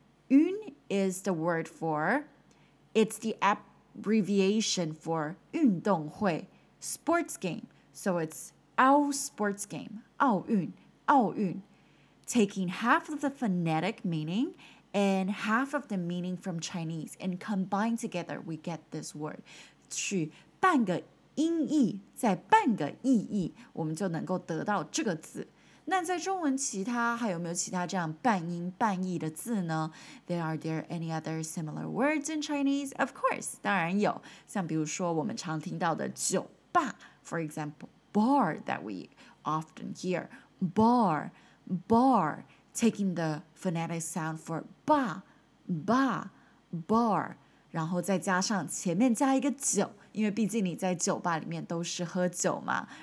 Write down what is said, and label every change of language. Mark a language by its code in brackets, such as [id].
[en] 运 is the word for, it's the abbreviation for 运动会， sports game. So it's 奥 sports game, 奥运。奥运, taking half of the phonetic meaning and half of the meaning from Chinese and combined together, we get this word. [zh] 取半个音译再半个意义，我们就能够得到这个字。那在中文其他还有没有其他这样半音半义的字呢？ [en] There are there any other similar words in Chinese? Of course, [zh] 当然有。像比如说我们常听到的酒吧, [en] for example, bar that we often hear. Bar, bar, taking the phonetic sound for ba, ba, bar, [zh] 然后再加上前面加一个酒，因为毕竟你在酒吧里面都是喝酒嘛。